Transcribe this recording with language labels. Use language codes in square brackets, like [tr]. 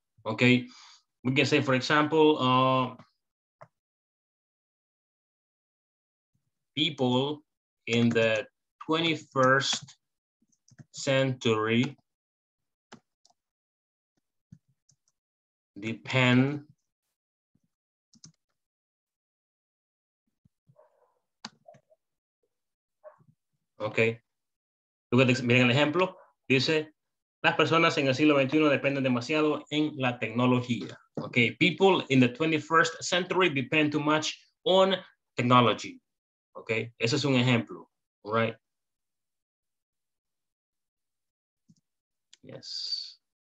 [en] Okay, we can say, for example, people in the 21st century depend okay. [es] Miren el ejemplo, dice, las personas en el siglo XXI dependen demasiado en la tecnología. [en] Okay, people in the 21st century depend too much on technology. [es] Okay, ese es un ejemplo, right? [en] Yes.